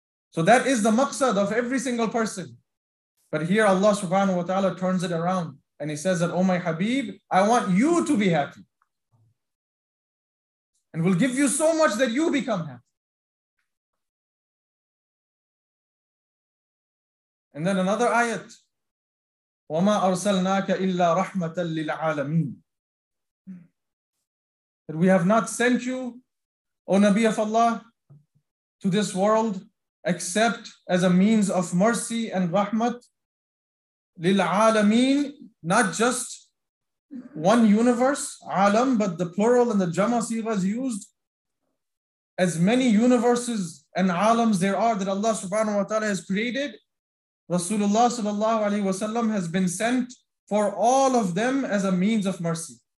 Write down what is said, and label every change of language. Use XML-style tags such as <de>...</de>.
<en>So that is the maqsad of every single person. But here Allah subhanahu wa ta'ala turns it around and he says that, O my Habib, I want you to be happy. And will give you so much that you become happy. And then another ayat,</en> <ar>وَمَا أَرْسَلْنَاكَ إِلَّا رَحْمَةً لِلْعَالَمِينَ.</ar> <en>That we have not sent you, O Nabi of Allah, to this world, except as a means of mercy and rahmat, lil'alameen, not just one universe, alam, but the plural and the jama sigha is used, as many universes and alams there are that Allah subhanahu wa ta'ala has created, Rasulullah sallallahu alayhi wa sallam has been sent for all of them as a means of mercy.</en>